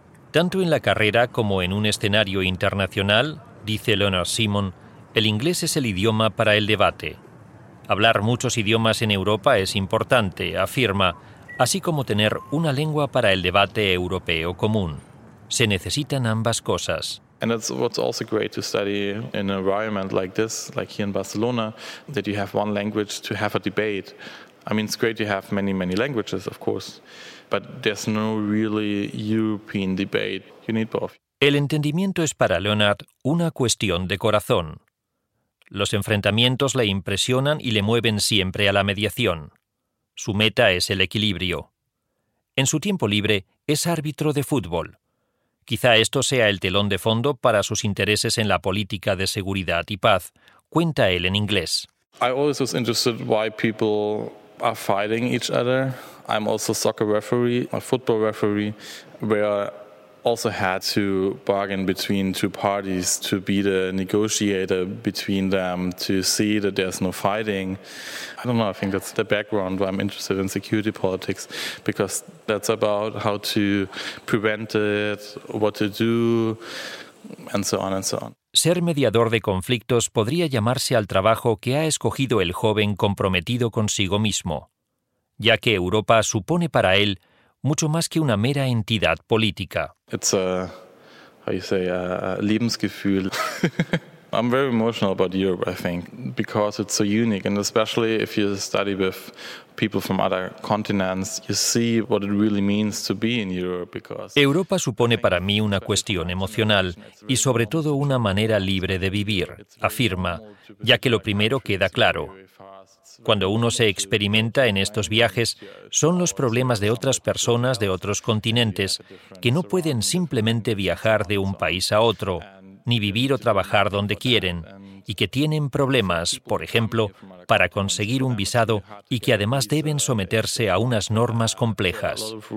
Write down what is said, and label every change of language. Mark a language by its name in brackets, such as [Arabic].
[Spanish] Tanto en la carrera como en un escenario internacional, dice Leonard Simon, el inglés es el idioma para el debate. Hablar muchos idiomas en Europa es importante, afirma, así como tener una lengua para el debate europeo común. Se necesitan ambas cosas. [English] And it's what's also great to study in an environment like this, like here in Barcelona, that you have one language to have a debate. I mean, it's great to have many, many languages, of course, but there's no really European debate. You need both. [Spanish] El entendimiento es para Leonard una cuestión de corazón. Los enfrentamientos le impresionan y le mueven siempre a la mediación. Su meta es el equilibrio. En su tiempo libre, es árbitro de fútbol. Quizá esto sea el telón de fondo para sus intereses en la política de seguridad y paz, cuenta él en inglés. [English] I always was interested why people are fighting each other. I'm also a soccer referee, a football referee, where I also had to bargain between two parties, to be the negotiator between them, to see that there's no fighting. I don't know, I think that's the background why I'm interested in security politics, because that's about how to prevent it, what to do, and so on and so on. [Spanish] Ser mediador de conflictos podría llamarse al trabajo que ha escogido el joven comprometido consigo mismo, ya que Europa supone para él mucho más que una mera entidad política. [English] It's a, how you say, a Lebensgefühl. I'm very emotional about Europe, I think, because it's so unique, and especially if you study with people from other continents, you see what it really means to be in Europe. Because [Spanish] Europa supone para mí una cuestión emocional y sobre todo una manera libre de vivir, afirma, ya que lo primero queda claro. Cuando uno se experimenta en estos viajes, son los problemas de otras personas de otros continentes que no pueden simplemente viajar de un país a otro, ni vivir o trabajar donde quieren, y que tienen problemas, por ejemplo, para conseguir un visado y que además deben someterse a unas normas complejas.